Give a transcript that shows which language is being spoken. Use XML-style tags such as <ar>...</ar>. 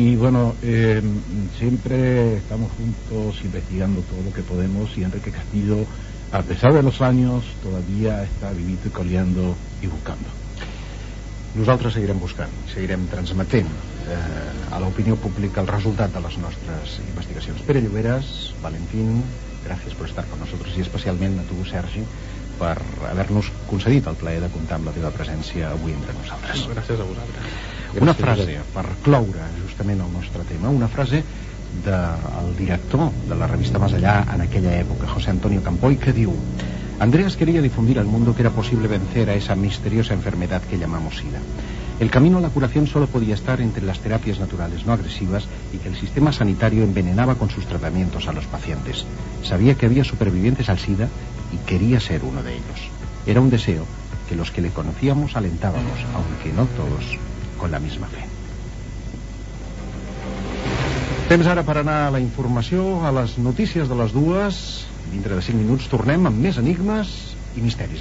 <es>Y bueno, siempre estamos juntos investigando todo lo que podemos, y Enrique Castillo... A pesar de los años, todavía está vivito y coleando y buscando.</es> <ca>Nosaltres seguirem buscant, seguirem transmetent a l'opinió pública el resultat de les nostres investigacions. Pere Lloberes, Valentín, gràcies per estar</ca> <es>con nosotros</es> <ca>i especialment a tu, Sergi, per haver-nos concedit el plaer de comptar amb la teva presència avui entre nosaltres. Gràcies a vosaltres. Una frase per cloure justament el nostre tema, una frase...</ca> <es>del director de la revista Más Allá en aquella época, José Antonio Campoy,</es> <ca>que diu:</ca> <es>Andreas quería difundir al mundo que era posible vencer a esa misteriosa enfermedad que llamamos SIDA. El camino a la curación solo podía estar entre las terapias naturales no agresivas y que el sistema sanitario envenenaba con sus tratamientos a los pacientes. Sabía que había supervivientes al SIDA y quería ser uno de ellos. Era un deseo que los que le conocíamos alentábamos, aunque no todos, con la misma fe.</es> <ca>Temps ara per anar a la informació, a les notícies de les dues. Dintre de 5 minuts tornem amb més enigmes i misteris.</ca>